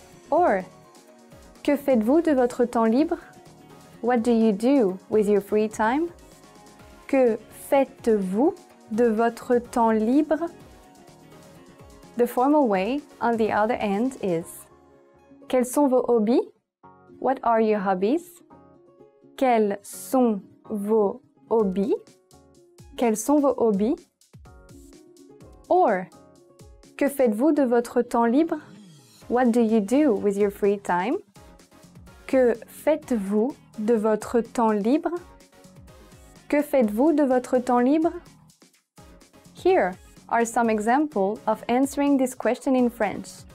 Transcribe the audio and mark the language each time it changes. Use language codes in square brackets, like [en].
[fr] Or Que faites-vous de votre temps libre? [en] What do you do with your free time? [fr] Que faites-vous de votre temps libre? [en] The formal way, on the other end, is [fr] Quels sont vos hobbies? [en] What are your hobbies? [fr] Quels sont vos hobbies? Quels sont vos hobbies? Or Que faites-vous de votre temps libre? [en] What do you do with your free time? [fr] Que faites-vous de votre temps libre? Que faites-vous de votre temps libre? [en] Here are some examples of answering this question in French.